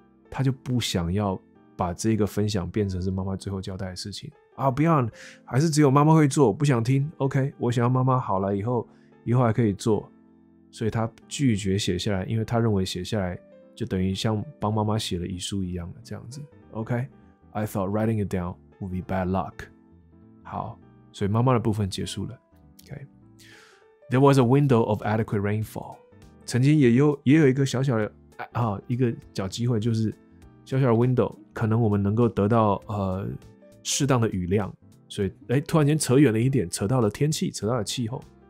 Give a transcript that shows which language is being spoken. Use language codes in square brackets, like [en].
[zh] 他就不想要把这个分享变成是妈妈最后交代的事情啊！不要，还是只有妈妈会做，不想听。OK， 我想要妈妈好了以后还可以做，所以他拒绝写下来，因为他认为写下来就等于像帮妈妈写了遗书一样的这样子。 [en] OK，I、okay? thought writing it down would be bad luck。 [zh] 好，所以妈妈的部分结束了。 [en] OK。 There was a window of adequate rainfall. [zh] 曾经也有一个小小的啊一个小机会，就是小小的 window， 可能我们能够得到适当的雨量。所以哎，突然间扯远了一点，扯到了天气，扯到了气候。